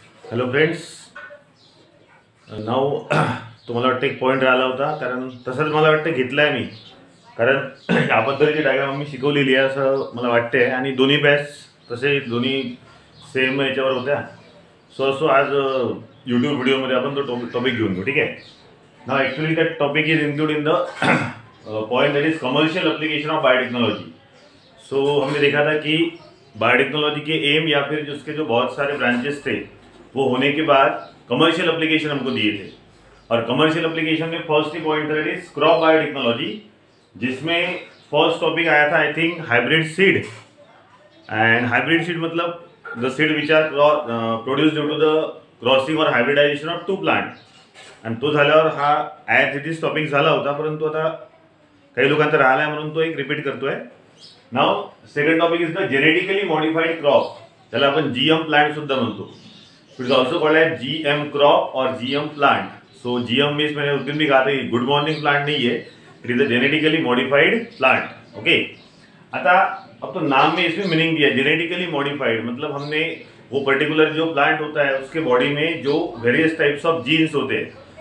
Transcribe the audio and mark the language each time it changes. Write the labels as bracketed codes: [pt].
[mr] Hello friends, नाव तुम्हाला वाटतं एक पॉईंट राहिला होता, कारण तसंच मला वाटतं घेतला आहे मी, कारण याबद्दलची डायग्राम मी शिकवलेली आहे असं मला वाटते आणि दोन्ही बॅच तसे दोन्ही सेम याच्यावर होत्या. सो असो आज यूट्यूब व्हिडिओमध्ये आपण तो टॉपिक घेऊन घेऊ, ठीक आहे. [en] ना actually that topic is include in the point that is commercial application of biotechnology. [hi] सो हमने देखा था कि बायोटेक्नॉलॉजी के एम या फिर जिसके जो बहुत सारे ब्रांचेस थे वो होने के बाद कमर्शियल एप्लीकेशन हमको दिए थे. और कमर्शियल एप्लीकेशन में first he point [en] that is crop biotechnology, [hi] जिसमें फर्स्ट टॉपिक आया था [en] I think [hi] hybrid seed. [en] And hybrid seed मतलब the seed which are produce due to the crossing और hybridization of two plant. [mr] End तो झाल्यावर हा [en] as it is [mr] topic झाला होता, परंतु आता काही लोकांचा राहिला आहे म्हणून तो एक रिपीट करतोय. [en] now second topic is the genetically modified crop, [mr] ज्याला आपण GM प्लांट सुद्धा म्हणतो. [en] It also called as GM crop or GM plant. So GM means [hi] मैंने उस दिन भी कहा था कि गुड मॉर्निंग प्लांट नहीं है, [en] It is a genetically modified plant. [hi] Okay, अतः अब तो नाम में इसमें मीनिंग दिया जेनेटिकली मॉडिफाइड, मतलब हमने वो पर्टिकुलर जो प्लांट होता है उसके बॉडी में जो वेरियस टाइप्स ऑफ जीन्स होते हैं.